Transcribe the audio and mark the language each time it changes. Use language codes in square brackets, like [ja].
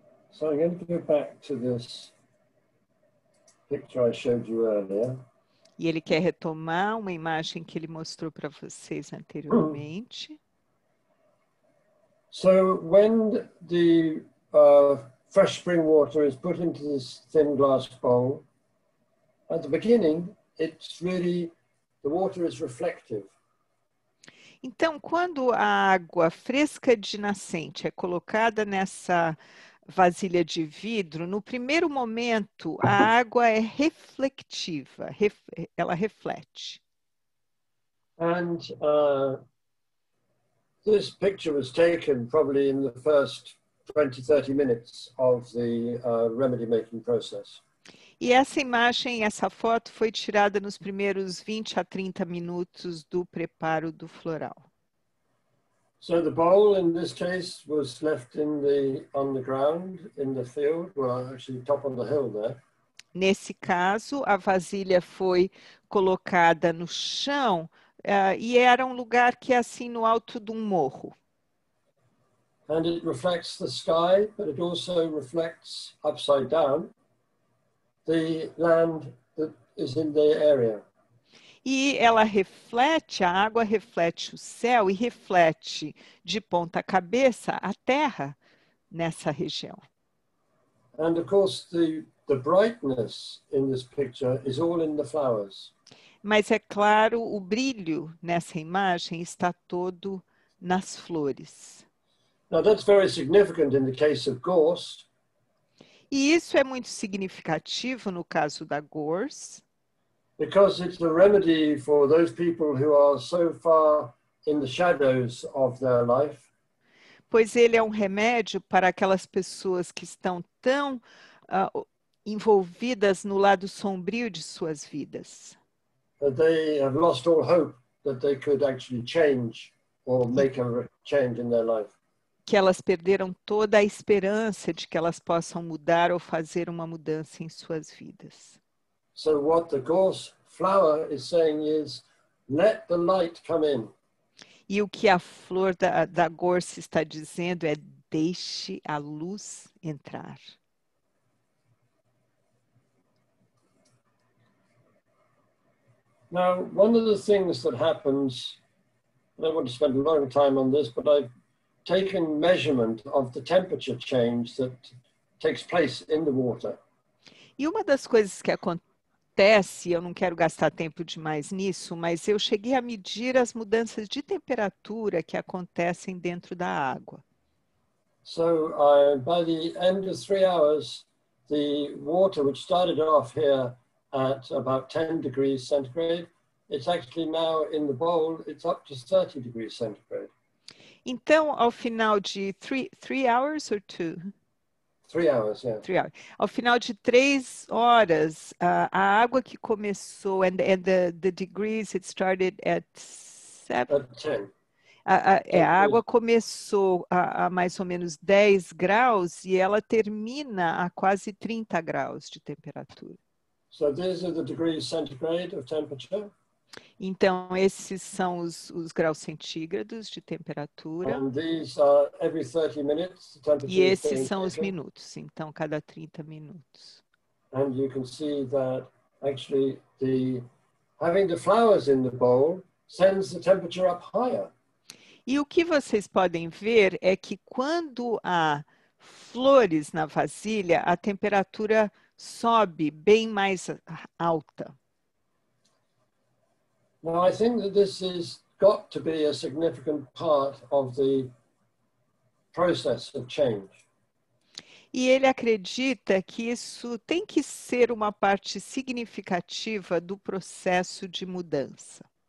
[en] So I'm going to go back to this picture I showed you earlier. [pt] E ele quer retomar uma imagem que ele mostrou para vocês anteriormente. [en] So when the fresh spring water is put into this thin glass bowl. At the beginning, it's really, the water is reflective. [pt] Então, quando a água fresca de nascente é colocada nessa vasilha de vidro, no primeiro momento, a água é reflectiva, ela reflete. [en] And this picture was taken probably in the first 20, 30 minutes of the remedy-making process. [pt] E essa imagem, essa foto foi tirada nos primeiros 20 a 30 minutos do preparo do floral. [en] So the bowl in this case was left in the on the ground in the field, well actually top of the hill there. [pt] Nesse caso, a vasilha foi colocada no chão e era um lugar que é assim no alto de um morro. [en] And it reflects the sky, but it also reflects upside down the land that is in the area. [pt] E ela reflete, a água reflete o céu e reflete de ponta cabeça a terra nessa região. [en] And of course the brightness in this picture is all in the flowers. [pt] Mas é claro, o brilho nessa imagem está todo nas flores. [en] Now that's very significant in the case of gorse. [pt] E isso é muito significativo no caso da gorse. [en] Because it's a remedy for those people who are so far in the shadows of their life. [pt] Pois ele é um remédio para aquelas pessoas que estão tão envolvidas no lado sombrio de suas vidas. [en] That they have lost all hope that they could actually change or make a change in their life. [pt] Que elas perderam toda a esperança de que elas possam mudar ou fazer uma mudança em suas vidas. [en] So what the gorse flower is saying is, let the light come in. [pt] E o que a flor da gorse está dizendo é, deixe a luz entrar. [en] Now, one of the things that happens, I don't want to spend a long time on this, but I've taken measurement of the temperature change that takes place in the water. [pt] E uma das coisas que acontece, eu não quero gastar tempo demais nisso, mas eu cheguei a medir as mudanças de temperatura que acontecem dentro da água. [en] So, by the end of 3 hours, the water, which started off here at about 10 degrees centigrade, it's actually now in the bowl, it's up to 30 degrees centigrade. [pt] Então, ao final de [en] three hours or two? 3 hours, yeah. 3 hours. [pt] Ao final de 3 horas, a água que começou, [en] and the degrees, it started at 7? At 10. [pt] A água começou a mais ou menos 10 graus e ela termina a quase 30 graus de temperatura. [en] So these are the degrees centigrade of temperature. [pt] Então, esses são os graus centígrados de temperatura. [en] Every 30 minutes, the temperature [pt] e esses são os minutos, então, cada 30 minutos. [en] And you can see that actually the having the flowers in the bowl sends the temperature up higher. [pt] E o que vocês podem ver é que quando há flores na vasilha, a temperatura sobe bem mais alta. [en] Now, I think that this has got to be a significant part of the process of change. [pt] E ele acredita que isso tem que ser uma parte significativa do processo de mudança.